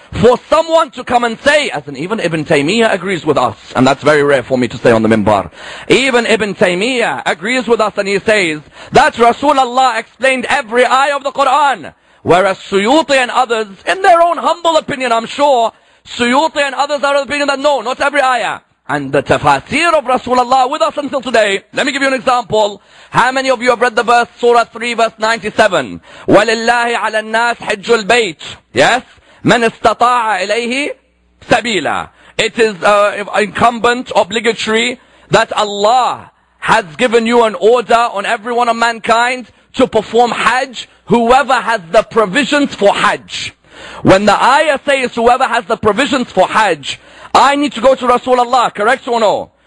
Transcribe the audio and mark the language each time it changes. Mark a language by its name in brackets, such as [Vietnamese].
[English] For someone to come and say, as in even Ibn Taymiyyah agrees with us, and that's very rare for me to say on the minbar, even Ibn Taymiyyah agrees with us and he says, that Rasulullah explained every ayah of the Quran. Whereas Suyuti and others, in their own humble opinion I'm sure, Suyuti and others are of the opinion that no, not every ayah. And the tafasir of Rasulullah with us until today. Let me give you an example. How many of you have read the verse, Surah 3 verse 97? [Arabic] وَلِلَّهِ عَلَى النَّاسِ حِجُّ الْبَيْتِ [English] Yes? [Arabic] من استطاع إليه سبيلا. [English] It is incumbent, obligatory, that Allah has given you an order on everyone of mankind to perform Hajj, whoever has the provisions for Hajj. When the ayah says whoever has the provisions for Hajj, I need to go to Rasulullah, correct or no?